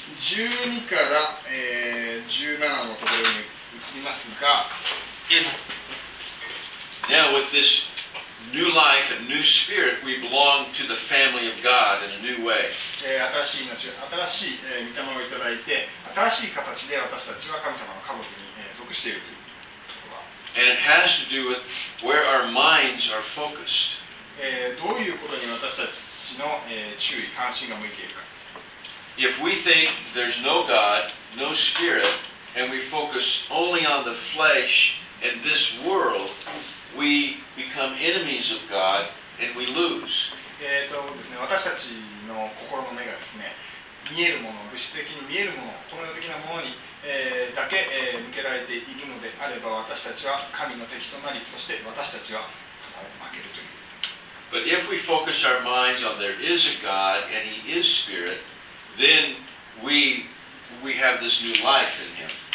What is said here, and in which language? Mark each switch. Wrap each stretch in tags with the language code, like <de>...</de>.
<ja>12から、17のところに移りますが、</ja> <en>Now with this new life and new spirit, we belong to the family of God in a new way.</en> <ja>新しい御霊をいただいて、新しい形で私たちは神様の家族に、属しているという。</ja> <en>And it has to do with where our minds are focused.</en> <ja>どういうことに私たちの、注意、関心が向いているか。</ja> <en>If we think there's no God, no spirit, and we focus only on the flesh and this world, we become enemies of God and we lose.</en> <ja>ですね、私たちの心の目がですね、見えるもの、物質的に見えるもの、この世的なものに、だけ、向けられているのであれば私たちは神の敵となりそして私たちは必ず負けるという</ja> <en>But if we focus our minds on there is a God and He is Spirit then we have this new life in Him、</en>